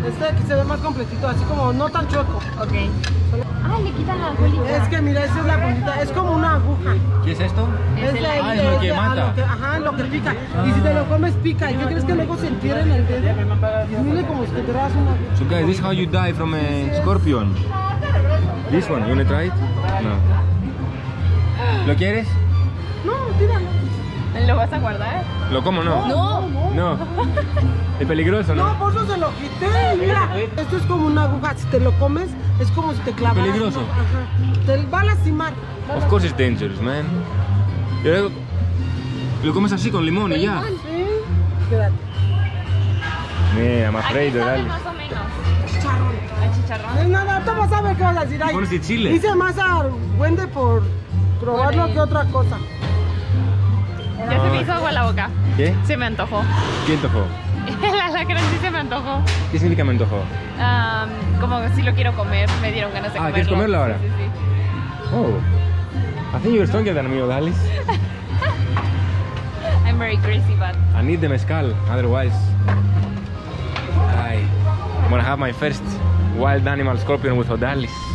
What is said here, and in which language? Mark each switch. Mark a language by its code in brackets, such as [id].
[es] Este aquí se ve más completito, así como no tan chueco. Ok. Ah, le quitan la agujita. Es que mira, esa es la puntita, es como una aguja. ¿Qué es esto? Es la ahí. Es lo que mata. Ajá, lo que pica. Ah. Y si te lo comes, pica. ¿Y qué crees que luego se entierra en el dedo? Mira como si te traes una aguja. [en] So guys, this is how you die from a scorpion. This one, you wanna try it? No. [es] ¿Lo quieres? No, tíralo. ¿Lo vas a guardar? ¿Lo como o no? No, no, no. ¿Es peligroso, no? No, por eso se lo quité, mira. Esto es como una aguja, si te lo comes, es como si te clavaras. ¿Peligroso? Ajá. Te va a lastimar. [en] Of course it's dangerous, man. [es] Y luego, lo comes así, con limón y ya. ¿Limón? Sí. quédate. Mira, más freído, dale. Más o menos. Chicharrón. No, no, tú vas a ver qué vas a decir. Pones de chile. Dice más a Wendy por probarlo que otra cosa. Ya se me hizo agua la boca. ¿Qué? Se me antojó. ¿Qué antojó? El alacrán sí se me antojó. ¿Qué significa me antojó? Como si lo quiero comer, me dieron ganas de comerlo. Ah, ¿quieres comerlo ahora? Sí, sí, sí. [en] Oh, I think you're stronger than me, Dallas. I'm very crazy, but I need the mezcal, otherwise ay, I'm gonna have my first wild animal scorpion with Odalis.